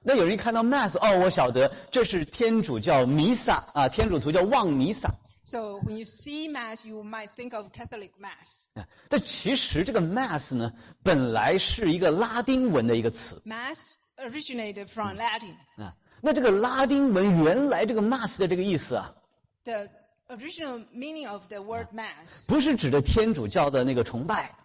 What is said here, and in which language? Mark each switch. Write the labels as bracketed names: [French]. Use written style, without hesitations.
[Chinese] 那有人看到 Mass， 哦，我晓得这是天主教弥撒啊，天主徒叫望弥撒。 [English] So when you see Mass, you might think of Catholic Mass. [Chinese] 但其实这个 Mass 呢，本来是一个拉丁文的一个词。 [English] Mass originated from Latin. [Chinese] 那这个拉丁文原来这个 Mass 的这个意思啊 [English] ？The original meaning of the word Mass. [Chinese] 不是指的天主教的那个崇拜。